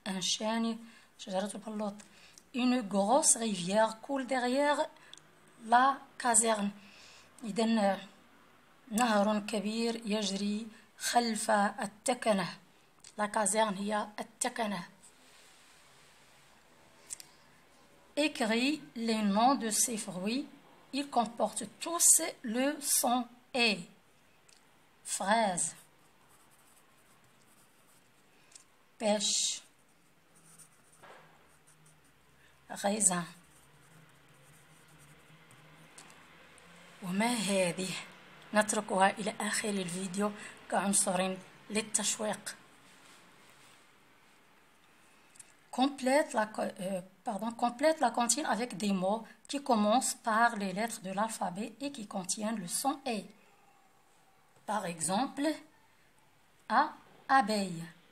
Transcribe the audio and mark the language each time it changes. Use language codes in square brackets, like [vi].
[fr] Un chêne, [ar] شجرة بلوط. [fr] Une grosse rivière coule derrière la caserne. [ar] إذن نهر كبير يجري خلف التكنة. لا كازيرن هي التكنة. [fr] Écris les noms de ces fruits. Ils comportent tous le son E. Fraise. Pêche. Raisin. [ar] وما هذه؟ نتركها إلى آخر الفيديو كعنصر للتشويق. [fr] Complète la comptine avec des mots qui commencent par les lettres de l'alphabet et qui contiennent le son E. Par exemple, A, abeille.